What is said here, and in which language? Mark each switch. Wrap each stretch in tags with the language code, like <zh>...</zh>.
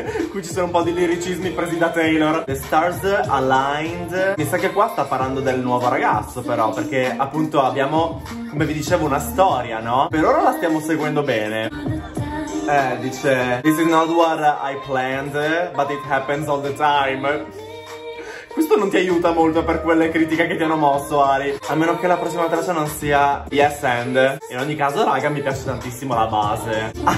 <it>Qui ci sono un po' di liricismi presi da Taylor.</it> <en>The stars aligned.</en> <it>Mi sa che qua sta parlando del nuovo ragazzo, però, perché appunto abbiamo, come vi dicevo, una storia, no? Per ora la stiamo seguendo bene.</it> <en>Dice this is not what I planned, but it happens all the time.</en> <it>Questo non ti aiuta molto per quelle critiche che ti hanno mosso, Ari. A meno che la prossima traccia non sia Yes And. In ogni caso, raga, mi piace tantissimo la base.</it>